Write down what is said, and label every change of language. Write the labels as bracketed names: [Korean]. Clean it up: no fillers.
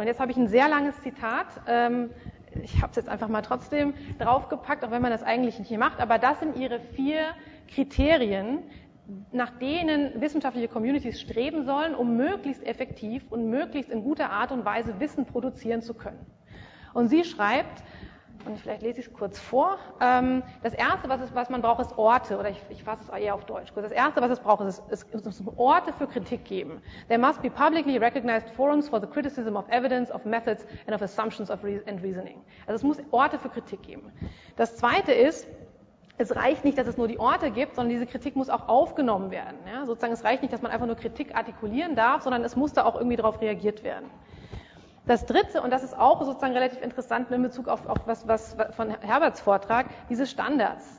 [German] Und jetzt habe ich ein sehr langes Zitat, ich habe es jetzt einfach mal trotzdem draufgepackt, auch wenn man das eigentlich nicht hier macht, aber das sind ihre vier Kriterien, nach denen wissenschaftliche Communities streben sollen, um möglichst effektiv und möglichst in guter Art und Weise Wissen produzieren zu können. Und sie schreibt, und vielleicht lese ich es kurz vor, das Erste, was man braucht, ist Orte, oder ich fasse es eher auf Deutsch, das Erste, was es braucht, ist, es muss Orte für Kritik geben. [English] There must be publicly recognized forums for the criticism of evidence, of methods and of assumptions and reasoning. [German] Also es muss Orte für Kritik geben. Das Zweite ist, es reicht nicht, dass es nur die Orte gibt, sondern diese Kritik muss auch aufgenommen werden. Ja, sozusagen, es reicht nicht, dass man einfach nur Kritik artikulieren darf, sondern es muss da auch irgendwie drauf reagiert werden. Das Dritte, und das ist auch sozusagen relativ interessant in Bezug auf was von Herberts Vortrag, diese Standards.